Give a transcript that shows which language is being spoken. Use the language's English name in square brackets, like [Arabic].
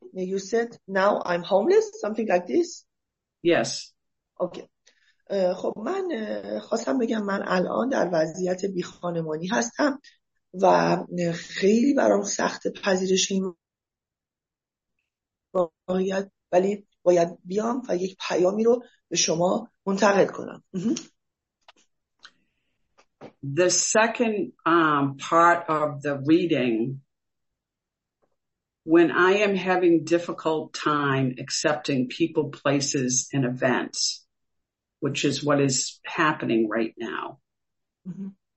[English] You said now I'm homeless, something like this? Yes. Okay. [Persian] خب من خواستم بگم من الان در وضعیت بیخانمانی هستم و خیلی برام سخت پذیرش این واقعیت، ولی باید بیام و یک پیامی رو به شما منتقل کنم. [English] The second part of the reading, when I am having difficult time accepting people, places and events, which is what is happening right now. Mm-hmm.